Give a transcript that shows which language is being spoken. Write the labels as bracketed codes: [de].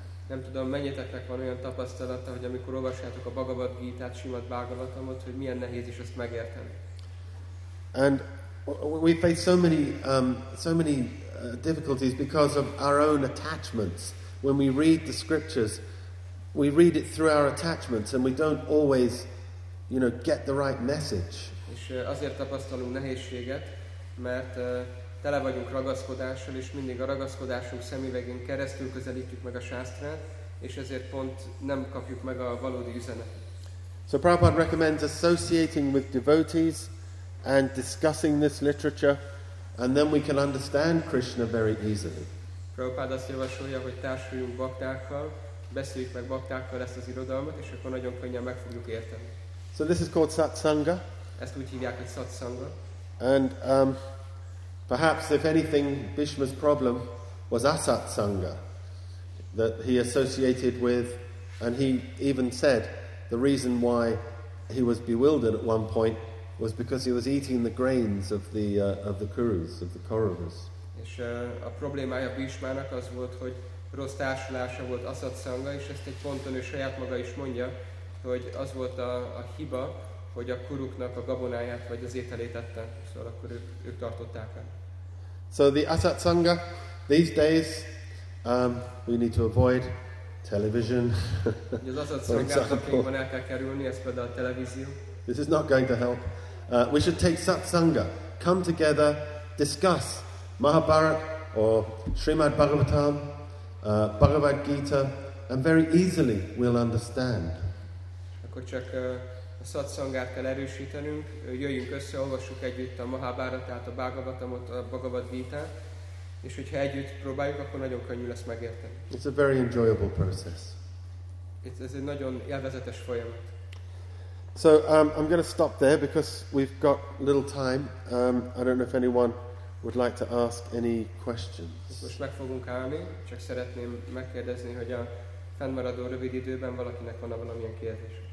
[hu] Nem tudom, mennyiteknek van olyan tapasztalata, hogy amikor olvassátok a Bhagavad Gita-t, Srimad Bhagavatamot, hogy milyen nehéz is ezt megérteni. [en] And we face so many difficulties because of our own attachments. When we read the scriptures, we read it through our attachments and we don't always, you know, get the right message. [hu] És azért tapasztalunk nehézséget, mert tele vagyunk ragaszkodással, és mindig a ragaszkodásunk szemüvegén keresztül közelítjük meg a sásztrát, és ezért pont nem kapjuk meg a valódi üzenetet. [en] So Prabhupada recommends associating with devotees and discussing this literature And then we can understand Krishna very easily. [hu] Prabhupád azt javasolja, hogy társuljunk baktákkal, beszéljük meg baktákkal ezt az irodalmat, és akkor nagyon könnyen meg fogjuk érteni. [en] So this is called satsanga. [hu] Ezt úgy hívják, hogy satsanga. [en] And perhaps if anything, Bhishma's problem was asatsanga, that he associated with, and he even said the reason why he was bewildered at one point was because he was eating the grains of the kurus, of the kauravas. [hu] És a problémája Bhishmának az volt, hogy rossz társulása volt asatsanga, és ezt egy ponton ő saját maga is mondja, hogy az volt a hiba, hogy a kuruknak a gabonáját vagy az ételét ette, szóval akkor ők tartották el. [en] So the asatsanga, these days, we need to avoid television. [hu] Az asatsangában el kell kerülni, ez például a televízió. [en] This is not going to help. We should take satsanga, come together, discuss Mahabharata or Srimad Bhagavatam, Bhagavad Gita, and very easily we'll understand. [hu] Akkor csak a satsangát kell erősítenünk, jöjjünk össze, olvassuk együtt a Mahabharatát, a Bhagavatamot, a Bhagavad Gita-t, és hogyha együtt próbáljuk, akkor nagyon könnyű lesz megérteni. [en] It's a very enjoyable process. [hu] Ez egy nagyon élvezetes folyamat. [en] So I'm going to stop there because we've got little time. I don't know if anyone would like to ask any questions. [hu] Most meg fogunk állni, csak szeretném megkérdezni, hogy a fennmaradó rövid időben valakinek van-e valamilyen kérdés.